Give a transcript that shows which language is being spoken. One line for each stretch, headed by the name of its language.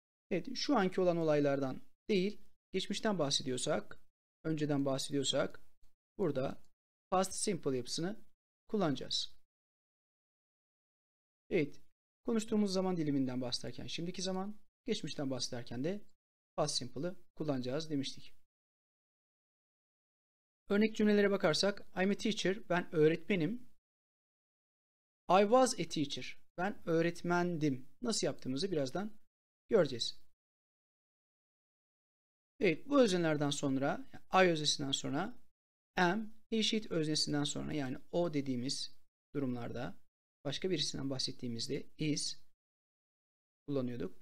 Turkish: Evet, şu anki olan olaylardan değil, geçmişten bahsediyorsak, önceden bahsediyorsak burada past simple yapısını kullanacağız. Evet, konuştuğumuz zaman diliminden bahsederken şimdiki zaman, geçmişten bahsederken de past simple'ı kullanacağız demiştik. Örnek cümlelere bakarsak,
English: I'm a teacher,
Turkish: ben öğretmenim.
English: I was a teacher,
Turkish: ben öğretmendim. Nasıl yaptığımızı birazdan göreceğiz. Evet, bu öznelerden sonra, I öznesinden sonra, am, eşit öznesinden sonra, yani o dediğimiz durumlarda başka birisinden bahsettiğimizde is kullanıyorduk.